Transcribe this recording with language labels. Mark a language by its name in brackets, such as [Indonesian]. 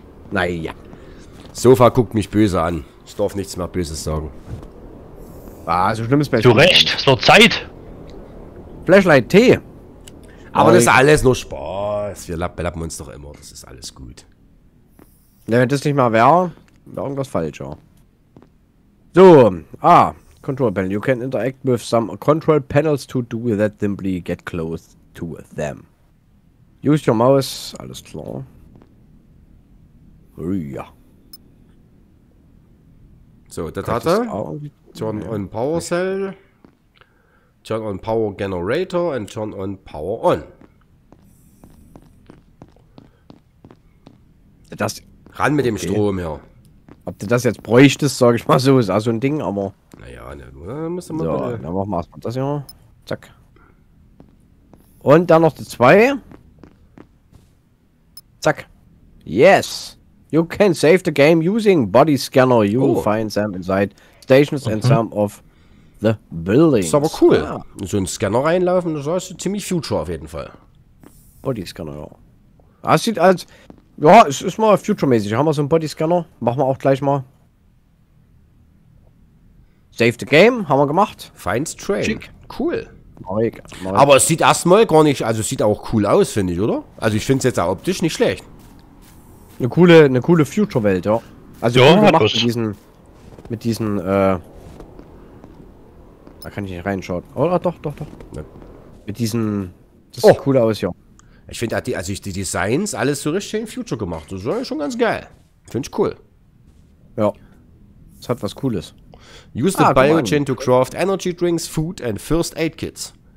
[German] Naja. Sofa guckt mich böse an. Ich darf nichts mehr Böses sagen. Ah, so schlimm ist bei dir. Zu Recht, es wird Zeit. Flashlight Tee. Aber das ist alles nur Spaß. Wir lappen uns doch immer. Das ist alles gut. Ja, wenn das nicht mal wäre, wäre irgendwas falsch, ja. So, Control Panel. [English] You can interact with some Control Panels to do that. Simply get close to them. Use your mouse. [German] Alles klar. Ja. So, das hatte. [English] Turn on Power Cell. Turn on Power Generator and turn on Power On. [German] Das ran mit dem Strom hier. Ob du das jetzt bräuchtest, sag ich mal so, ist auch so ein Ding, aber... Naja, ne, müssen wir so, mal... dann machen wir erstmal das hier. Zack. Und dann noch die 2. [English] Zack. Yes! You can save the game using body scanner. You will find them inside stations and some of the buildings. [German] Ist aber cool. Ja. So ein Scanner reinlaufen, das ist ziemlich future auf jeden Fall. Body scanner, ja. Das sieht als... Ja, es ist mal future-mäßig. Haben wir so einen Bodyscanner? Machen wir auch gleich mal. Save the game, haben wir gemacht. Find Train. Schick. Cool. Neu. Aber es sieht erstmal gar nicht, also es sieht auch cool aus, finde ich, oder? Also ich finde es jetzt auch optisch nicht schlecht. Eine coole Future-Welt, ja. Also ja, cool gemacht mit diesen. Mit diesen, da kann ich nicht reinschauen. Oder doch. Ja. Mit diesen. Das sieht cool aus, ja. Ich finde, die Designs alles so richtig in Future gemacht. Das ist schon ganz geil. Finde ich cool. Ja. Das hat was Cooles. [English] Use the Biogen to craft energy drinks, food and first aid kits.